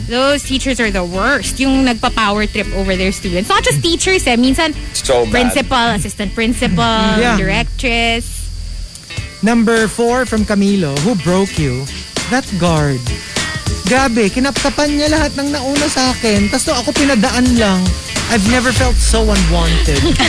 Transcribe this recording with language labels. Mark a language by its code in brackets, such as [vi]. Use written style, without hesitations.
[en] Those teachers are the worst. [tl] Yung nagpa-power trip [en] over their students. Not just teachers, eh. Minsan, so principal, bad. Assistant principal, yeah. Directress. Number 4 from Camilo, who broke you? That guard. [tl] Grabe, kinapkapan niya lahat ng nauna sa akin. Tapos to ako pinadaan lang. [en] I've never felt so unwanted.